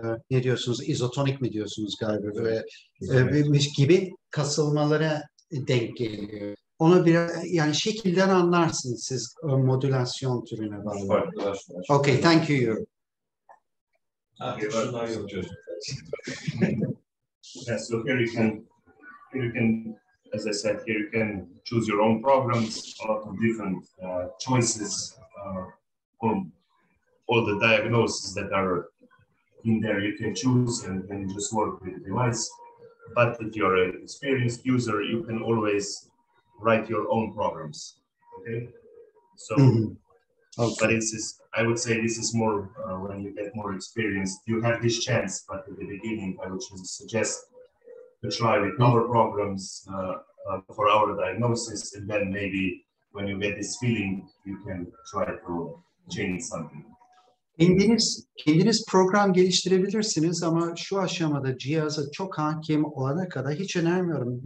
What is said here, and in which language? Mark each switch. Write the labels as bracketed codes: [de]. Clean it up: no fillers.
[tr] ne diyorsunuz, izotonik mi diyorsunuz galiba, böyle gibi kasılmalara denk geliyor. Onu bir yani şekilden anlarsınız siz modülasyon türüne bağlı. Evet, [en] okay, thank you. [tr] Abi, [en] yes, so here you can, as I said, here you can choose your own programs, a lot of different choices from all the diagnoses that are in there. You can choose and just work with the device. But if you're an experienced user, you can always write your own programs. Okay. So, mm-hmm. Okay. But this is, I would say, this is more when you get more experienced, you have this chance. But at the beginning, I would just suggest to try with our programs for our diagnosis, and then maybe when you get this feeling, you can try to change something. [tr] Kendiniz program geliştirebilirsiniz ama şu aşamada cihaza çok hakim olana kadar hiç önermiyorum.